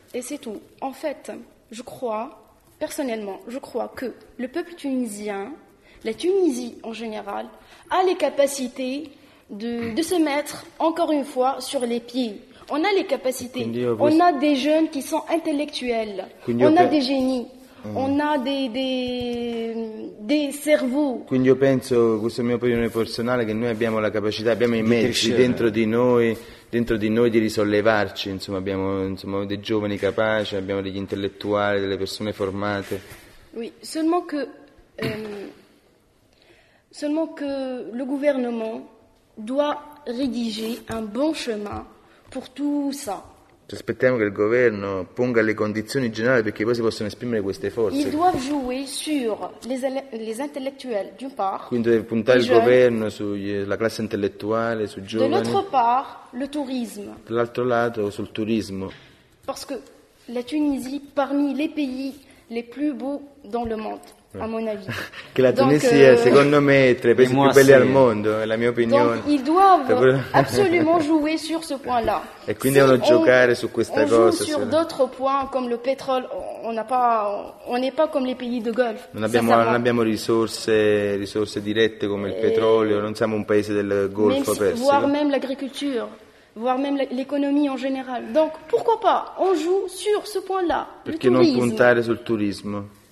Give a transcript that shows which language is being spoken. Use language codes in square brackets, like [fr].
[fr] Et c'est tout. En fait, je crois, personnellement, je crois que le peuple tunisien, la Tunisie en général, a les capacités de se mettre encore une fois sur les pieds. On a les capacités, on a des jeunes qui sont intellectuels, on a des génies, on a des cerveaux. [it] Quindi io penso, questa è la mia opinione personale, che noi abbiamo la capacità, abbiamo i mezzi dentro di noi di risollevarci, insomma abbiamo dei giovani capaci, abbiamo degli intellettuali, delle persone formate. [fr] Oui, seulement que le gouvernement doit rédiger un bon chemin pour tout ça. [it] Ci aspettiamo che il governo ponga le condizioni generali perché poi si possono esprimere queste forze. [fr] Ils doivent jouer sur les intellectuels d'une part. [it] Quindi deve puntare il governo sulla classe intellettuale, sui giovani. D'altra parte, [fr] le tourisme. [it] Dall'altro lato, sul turismo. [fr] Parce que la Tunisie parmi les pays les plus beaux dans le monde. A mon avis. [it] Che la Tunisia, secondo me, è tra i paesi più belli al mondo, è la mia opinione. [fr] Donc, ils doivent absolument jouer sur ce point-là. [it] E quindi devono giocare su questa cosa. [fr] Sur d'autres points, comme le pétrole, on n'est pas comme les pays de Golfe. [it] Non abbiamo risorse dirette come il petrolio, non siamo un paese del Golfo Persico. [fr] Voire même l'agriculture. Voire même l'économie en général. Donc pourquoi pas, on joue sur ce point-là. [it] Perché non puntare sul turismo?